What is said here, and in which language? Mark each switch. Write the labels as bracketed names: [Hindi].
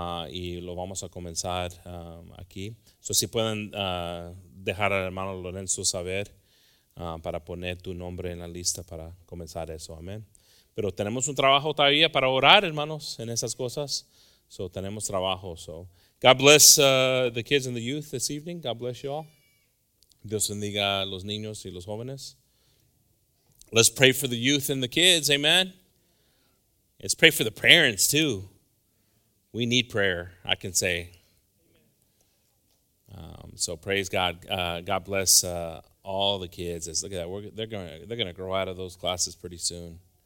[Spanish] Y lo vamos a comenzar aquí. So si pueden dejar al hermano Lorenzo saber para poner tu nombre en la lista para comenzar eso. Amén. Pero tenemos un trabajo todavía para orar, hermanos, en esas cosas. So tenemos trabajo. [English] So God bless the kids and the youth this evening. God bless you all. [Spanish] Dios bendiga a los niños y los jóvenes. [English] Let's pray for the youth and the kids. Amen. Let's pray for the parents too. We need prayer, I can say. So praise God. God bless all the kids. Look at that. They're gonna grow out of those classes pretty soon.